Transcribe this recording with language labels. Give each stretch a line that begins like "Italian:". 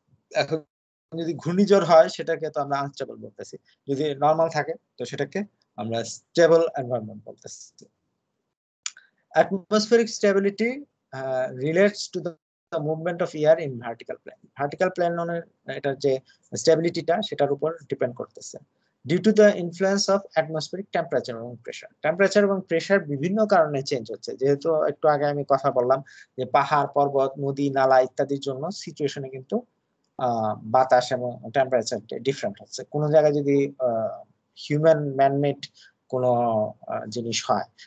Bangla: এখন যদি ঘূর্ণিঝড় হয় সেটাকে তো আমরা আনস্টেবল বলতেছি, যদি নর্মাল থাকে তো সেটাকে আমরা স্টেবল এনভায়রনমেন্ট বলতেছি।
English: atmospheric stability relates to the movement of air in vertical plane, vertical plane
Bangla: মানে এটার যে স্টেবিলিটিটা সেটার উপর ডিপেন্ড করতেছে।
English: Due to the influence of atmospheric temperature and pressure.
Bangla: Temperature এবং pressure বিভিন্ন কারণে চেঞ্জ হচ্ছে, যেহেতু একটু আগে আমি কথা বললাম যে পাহাড় পর্বত নদী নালা ইত্যাদির জন্য সিচুয়েশনে কিন্তু বাতাস এবং টেম্পারেচার ডিফারেন্ট হচ্ছে। কোনো জায়গায় যদি হিউম্যান ম্যানমেড কোনো জিনিস হয়